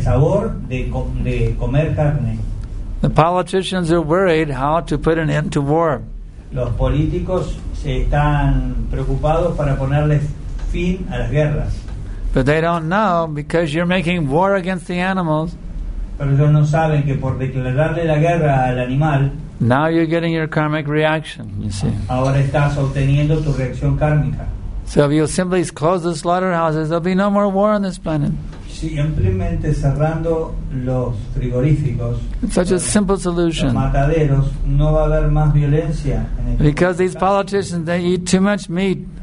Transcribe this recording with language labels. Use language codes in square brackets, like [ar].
[en] The politicians are worried how to put an end to war. [es] Los políticos se están preocupados para ponerle fin a las guerras. [en] But they don't know, because you're making war against the animals. [es] Pero ellos no saben que por declararle la guerra al animal, [en] now you're getting your karmic reaction, you see. [es] Ahora estás obteniendo tu reacción kármica. [en] So if you simply close the slaughterhouses, there'll be no more war on this planet. [es] Si simplemente cerrando los frigoríficos, [en] it's such a simple solution. [es] Los mataderos, no va a haber más violencia. [en] Because these politicians, they eat too much meat.